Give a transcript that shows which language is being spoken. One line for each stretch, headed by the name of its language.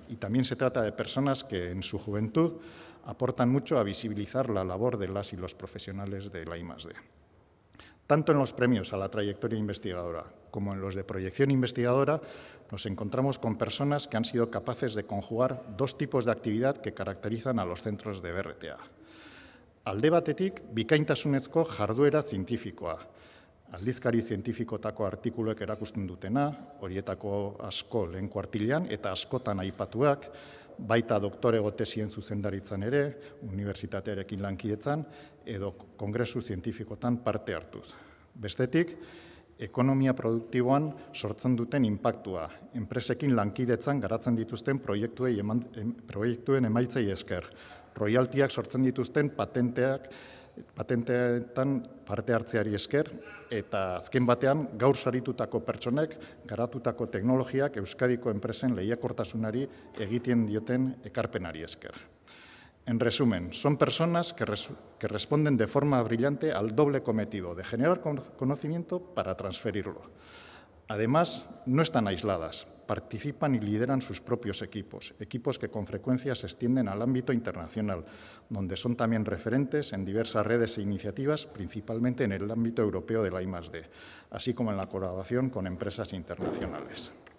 Spanish: Y también se trata de personas que, en su juventud, aportan mucho a visibilizar la labor de las y los profesionales de la I+D. Tanto en los premios a la trayectoria investigadora como en los de proyección investigadora, nos encontramos con personas que han sido capaces de conjugar dos tipos de actividad que caracterizan a los centros de BRTA.
Basque: Alde batetik, bikaintasunezko jarduera zientifikoa. Aldizkari zientifikotako artikuluek erakusten dutena, horietako asko lehen kuartilean eta askotan aipatuak, baita doktorego tesien zuzendaritzan ere, unibertsitatearekin lankidetzan, edo kongresu zientifikotan parte hartuz. Bestetik, ekonomia produktiboan sortzen duten inpaktua, enpresekin lankidetzan garatzen dituzten proiektuen emaitzei esker, royaltiak sortzen dituzten patenteetan parte hartzeari esker, eta azken batean gaur saritutako pertsonek garatutako teknologiak Euskadiko enpresen lehiakortasunari egiten dioten ekarpenari esker.
Spanish: En resumen, son personas que responden de forma brillante al doble cometido de generar conocimiento para transferirlo. Además, no están aisladas, participan y lideran sus propios equipos, equipos que con frecuencia se extienden al ámbito internacional, donde son también referentes en diversas redes e iniciativas, principalmente en el ámbito europeo de la I+D, así como en la colaboración con empresas internacionales.